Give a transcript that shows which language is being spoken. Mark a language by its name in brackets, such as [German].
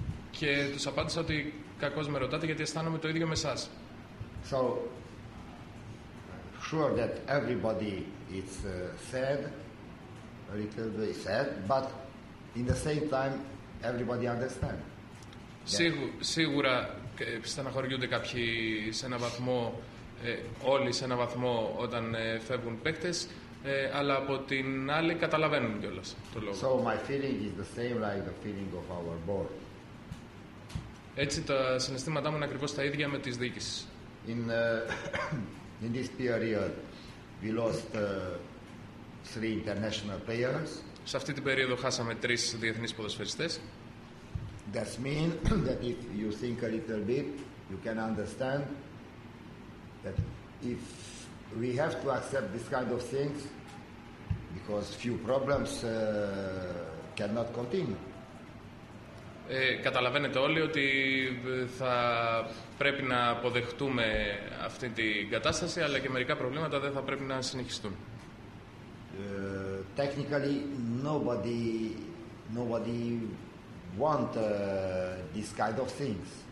[Greek] Και τους απάντησα ότι κακώς με ρωτάτε γιατί αισθάνομαι το ίδιο με εσάς. [English] So, sure that everybody is sad, a little bit sad, but in the same time, everybody understands. [Greek] Σίγουρα στεναχωριούνται κάποιοι σε ένα βαθμό, όλοι σε ένα βαθμό όταν φεύγουν παίκτες, αλλά από την άλλη καταλαβαίνουν κιόλας το λόγο. [English] So my feeling is the same like the feeling of our board. [Greek] Έτσι τα συναισθήματά μου είναι ακριβώς τα ίδια με τις διοίκησεις. [English] In this period, we lost three international players. [Greek] Σε αυτή την περίοδο χάσαμε τρεις διεθνείς ποδοσφαιριστές. [English] That means that if you think a little bit, you can understand that if we have to accept this kind of things, because few problems cannot continue. [Greek] Καταλαβαίνετε όλοι ότι θα πρέπει να αποδεχτούμε αυτή την κατάσταση, αλλά και μερικά προβλήματα δεν θα πρέπει να συνεχιστούν. [English] Technically, nobody want this kind of things.